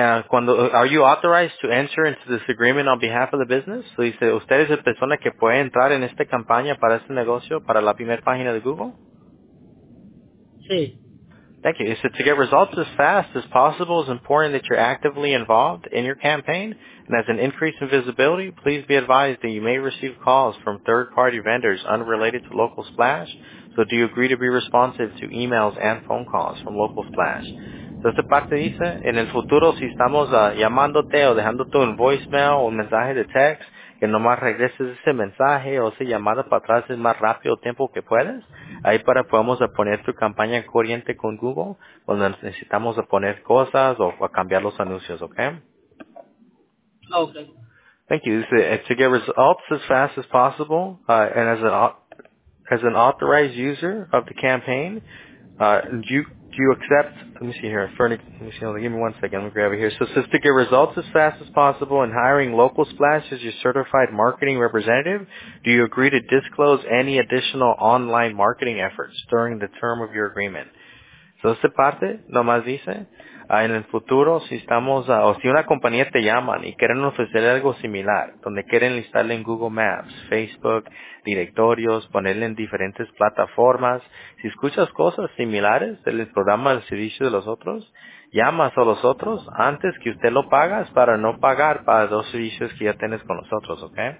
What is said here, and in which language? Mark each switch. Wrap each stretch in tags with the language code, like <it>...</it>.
<en>Cuando, are you authorized to enter into this agreement on behalf of the business?</en> <es>So dice, ¿usted es la persona que puede entrar en esta campaña para este negocio, para la primera página de Google? Sí.</es> <en>Thank you. So to get results as fast as possible, it's important that you're actively involved in your campaign. And as an increase in visibility, please be advised that you may receive calls from third-party vendors unrelated to Local Splash. So do you agree to be responsive to emails and phone calls from Local Splash?</en> <es>So esta parte dice, en el futuro si estamos llamándote o dejándote un voicemail o un mensaje de text, que nomás regreses ese mensaje o esa llamada para atrás el más rápido tiempo que puedes. Ahí para podemos poner tu campaña en corriente con Google cuando necesitamos poner cosas o a cambiar los anuncios, ¿ok? Ok.</es> <en>Thank you. To get results as fast as possible and as an authorized user of the campaign, do you accept, let me see here, give me one second, let me grab it here. So it says to get results as fast as possible in hiring Local Splash as your certified marketing representative, do you agree to disclose any additional online marketing efforts during the term of your agreement?</en> <es>So esta parte nomás dice, en el futuro si estamos, o si una compañía te llaman y quieren ofrecer algo similar, donde quieren listarle en Google Maps, Facebook, directorios, ponerle en diferentes plataformas, si escuchas cosas similares del programa del servicio de los otros, llamas a los otros antes que usted lo pagas para no pagar para dos servicios que ya tienes con nosotros, ¿ok?</es>